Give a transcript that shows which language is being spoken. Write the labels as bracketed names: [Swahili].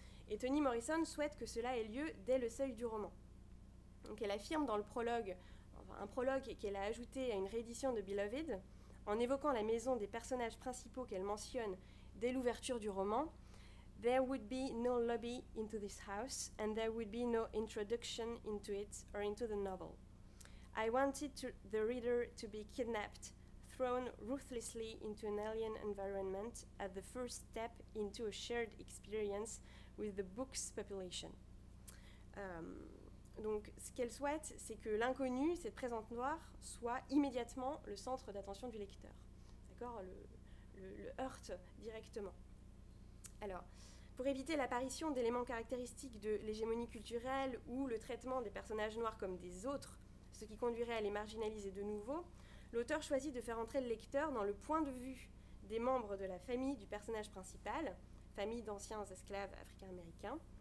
[French] Et Toni Morrison souhaite que cela ait lieu dès le seuil du roman. Donc elle affirme dans le prologue, enfin, un prologue qu'elle a ajouté à une réédition de Beloved, en évoquant la maison des personnages principaux qu'elle mentionne dès l'ouverture du roman, « [English] There would be no lobby into this house, and there would be no introduction into it or into the novel. I wanted the reader to be kidnapped, thrown ruthlessly into an alien environment at the first step into a shared experience with the book's population. [French] » Donc, ce qu'elle souhaite, c'est que l'inconnu, cette présence noire, soit immédiatement le centre d'attention du lecteur. D'accord ? Le heurte directement. Alors, pour éviter l'apparition d'éléments caractéristiques de l'hégémonie culturelle ou le traitement des personnages noirs comme des autres, ce qui conduirait à les marginaliser de nouveau, l'auteur choisit de faire entrer le lecteur dans le point de vue des membres de la famille du personnage principal, famille d'anciens esclaves africains-américains.